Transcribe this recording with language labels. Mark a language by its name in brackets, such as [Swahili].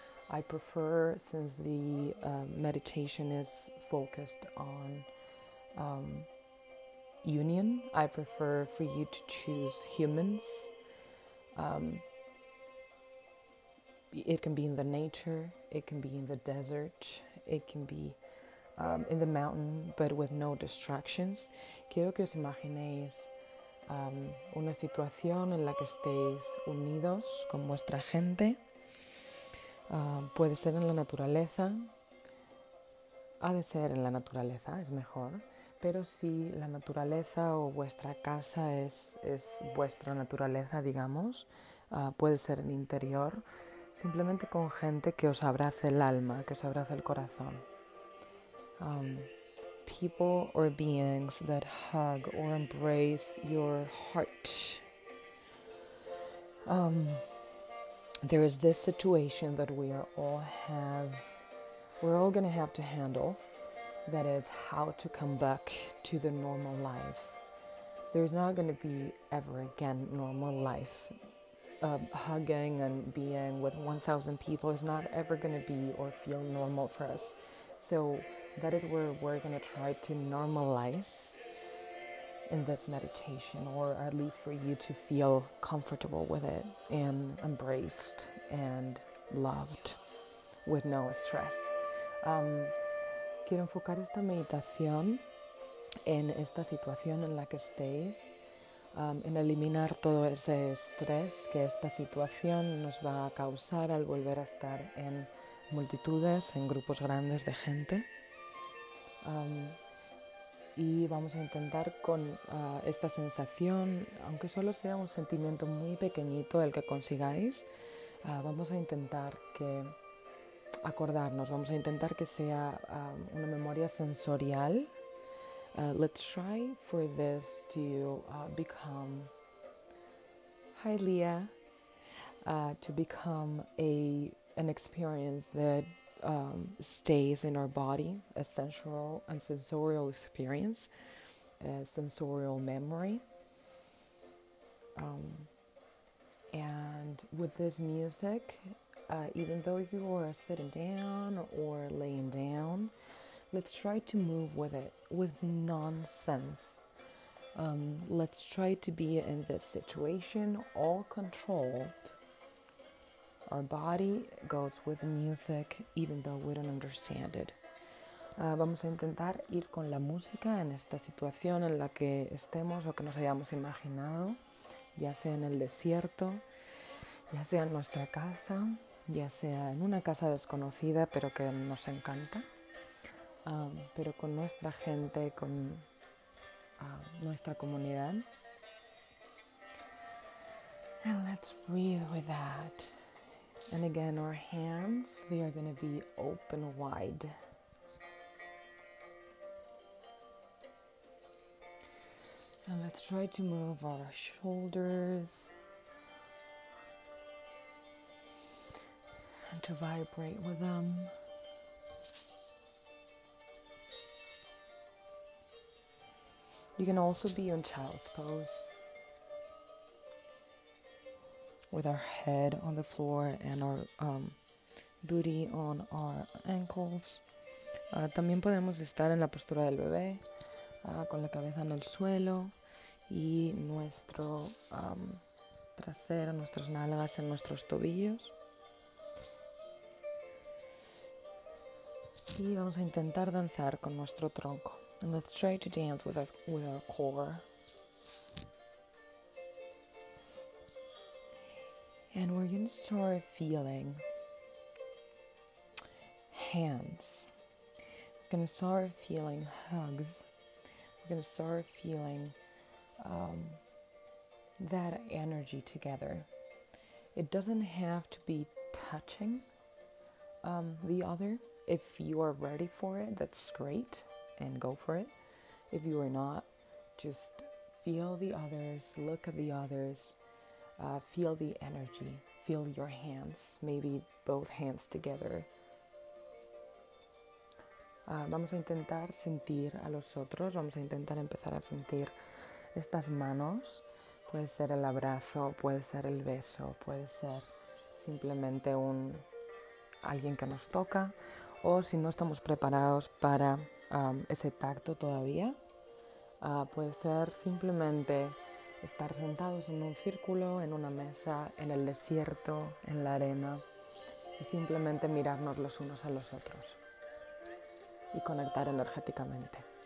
[English] I prefer, since the meditation is focused on union, I prefer for you to choose humans. It can be in the nature, it can be in the desert, it can be in the mountain, but with no distractions. [Spanish] Quiero que os imaginéis una situación en la que estéis unidos con vuestra gente. Puede ser en la naturaleza, ha de ser en la naturaleza, es mejor. Pero si la naturaleza o vuestra casa es vuestra naturaleza, digamos, puede ser el interior, simplemente con gente que os abrace el alma, que os abrace el corazón. [English] People or beings that hug or embrace your heart. There is this situation that we're all going to have to handle. That is how to come back to the normal life. There's not going to be ever again normal life. Hugging and being with 1,000 people is not ever going to be or feel normal for us. So that is where we're going to try to normalize in this meditation, or at least for you to feel comfortable with it and embraced and loved with no stress. [Spanish] Quiero enfocar esta meditación en esta situación en la que estéis, en eliminar todo ese estrés que esta situación nos va a causar al volver a estar en multitudes, en grupos grandes de gente. Y vamos a intentar con esta sensación, aunque solo sea un sentimiento muy pequeñito el que consigáis, vamos a intentar que acordarnos, vamos a intentar que sea una memoria sensorial. [English] Let's try for this to become, hi Leah, to become an experience that stays in our body, a sensual and sensorial experience, a sensorial memory. And with this music, even though you are sitting down or laying down, let's try to move with it, with nonsense. Let's try to be in this situation, all controlled. Our body goes with music, even though we don't understand it. [Spanish] Vamos a intentar ir con la música en esta situación en la que estemos o que nos hayamos imaginado, ya sea en el desierto, ya sea en nuestra casa, ya sea en una casa desconocida pero que nos encanta, pero con nuestra gente, con nuestra comunidad. [English] And let's breathe with that. And again, our hands, they are going to be open wide. And let's try to move our shoulders and to vibrate with them. You can also be on child's pose with our head on the floor and our booty on our ankles. [Spanish] También podemos estar en la postura del bebé, con la cabeza en el suelo y nuestro trasero, nuestras nalgas en nuestros tobillos. Y vamos a intentar danzar con nuestro tronco. [English] And let's try to dance with us with our core. And we're going to start feeling hands. We're going to start feeling hugs. We're going to start feeling that energy together. It doesn't have to be touching the other. If you are ready for it, that's great, and go for it. If you are not, just feel the others, look at the others, feel the energy, feel your hands, maybe both hands together. [Spanish] Vamos a intentar sentir a los otros, vamos a intentar empezar a sentir estas manos. Puede ser el abrazo, puede ser el beso, puede ser simplemente un alguien que nos toca, o si no estamos preparados para ese tacto todavía, puede ser simplemente estar sentados en un círculo, en una mesa, en el desierto, en la arena, y simplemente mirarnos los unos a los otros y conectar energéticamente.